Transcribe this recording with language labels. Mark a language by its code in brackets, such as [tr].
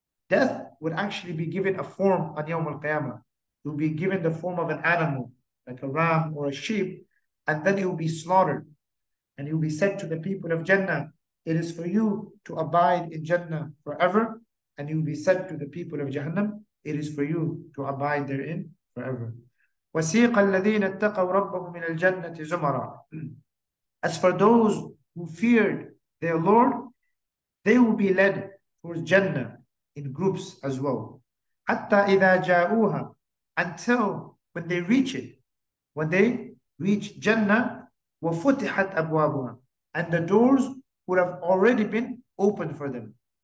[en] Death would actually be given a form on يوم القيامة. It will be given the form of an animal, like a ram or a sheep, and then it will be slaughtered. And it will be said to the people of Jannah, it is for you to abide in Jannah forever. And it will be said to the people of Jahannam, it is for you to abide therein forever. [ar] وسيق الذين اتقوا ربهم من الجنة زمرا. [en] As for those who feared their Lord, they will be led towards Jannah in groups as well. [ar] حتى إذا جاءوها, [en] until when they reach it, when they reach Jannah, [ar] وفتحت أبوابها, [en] and the doors would have already been opened for them.